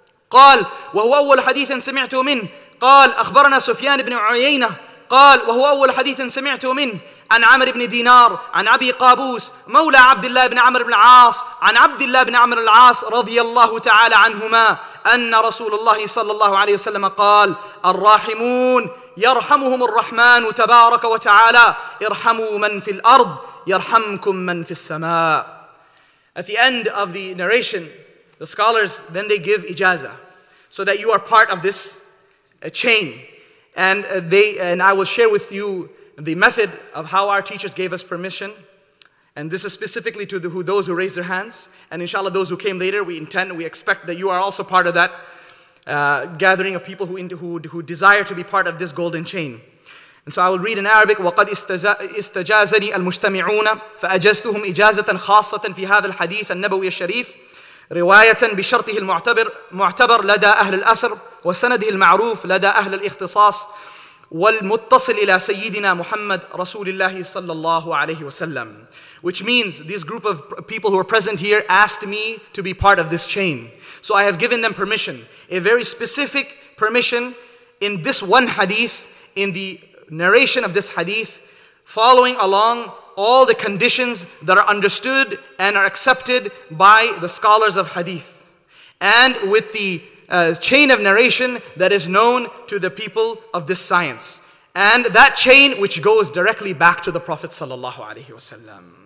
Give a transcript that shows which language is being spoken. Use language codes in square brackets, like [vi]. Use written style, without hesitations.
[ar] قال وهو أول حديث سمعته منه قال أخبرنا سفيان بن عيينة قال وهو أول حديث سمعته منه عن عمر بن دينار عن أبي قابوس مولى عبد الله بن عمرو بن العاص عن عبد الله بن عمرو العاص رضي الله تعالى عنهما أن رسول الله صلى الله عليه وسلم قال الراحمون يرحمهم الرحمن تبارك وتعالى ارحموا من في الأرض يرحمكم من في السماء. [en] At the end of the narration, the scholars, then they give ijazah, so that you are part of this chain. And I will share with you the method of how our teachers gave us permission. And this is specifically to those who raised their hands. And inshallah, those who came later, we expect that you are also part of that gathering of people who desire to be part of this golden chain. And so I will read in Arabic, [ar] وَقَدْ إِسْتَجَازَنِي الْمُجْتَمِعُونَ فَأَجَزْتُهُمْ إِجَازَةً خَاصَّةً فِي هَذَا الْحَدِيثَ النَّبَوِيَ الشَّرِيفِ رواية بشرطه المعتبر لدى أهل الأثر وسنده المعروف لدى أهل الاختصاص والمتصل إلى سيدنا محمد رسول الله صلى الله عليه وسلم. [en] Which means this group of people who are present here asked me to be part of this chain. So I have given them permission, a very specific permission in this one hadith, in the narration of this hadith, following along all the conditions that are understood and are accepted by the scholars of hadith, and with the chain of narration that is known to the people of this science, and that chain which goes directly back to the Prophet sallallahu alaihi wasallam.